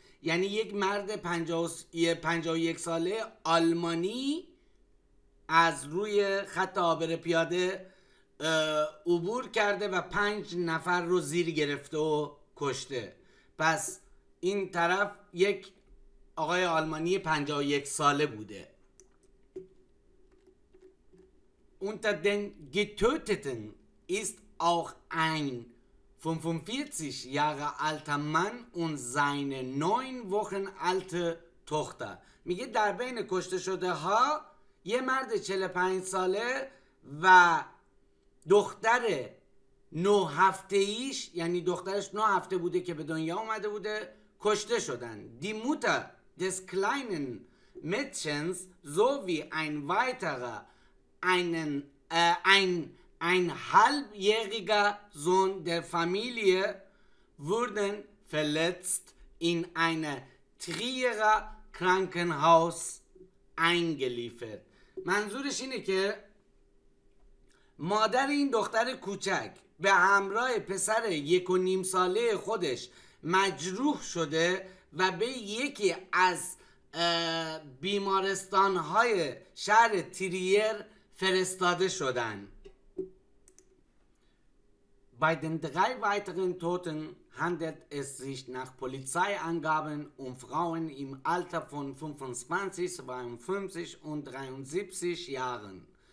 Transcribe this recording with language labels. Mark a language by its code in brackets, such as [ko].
[fa] یعنی یک مرد 51 ساله آلمانی از روی خط عابر پیاده عبور کرده و 5 نفر رو زیر گرفته و کشته. پس این طرف یک آقای آلمانی 51 ساله بوده. [de] Unter den Getöteten ist auch ein 45 Jahre alter Mann und seine 9 Wochen alte Tochter. [fa] میگه در بین کشته شده ها یه مرد 45 ساله و دختر 9 هفته ایش، یعنی دخترش 9 هفته بوده که به دنیا اومده بوده، کشته شدن. [de] Die Mutter des kleinen Mädchens sowie ein ein halbjähriger Sohn der Familie wurden verletzt in eine Trierer Krankenhaus eingeliefert. [fa] منظورش اینه که مادر این دختر کوچک به همراه پسر 1.5 ساله خودش مجروح شده و به یکی از بیمارستان های شهر تریر فرستاده شدن. [de] Bei den drei weiteren Toten handelt es sich nach Polizeiangaben Frauen im Alter von 25, 52 und 73 Jahren.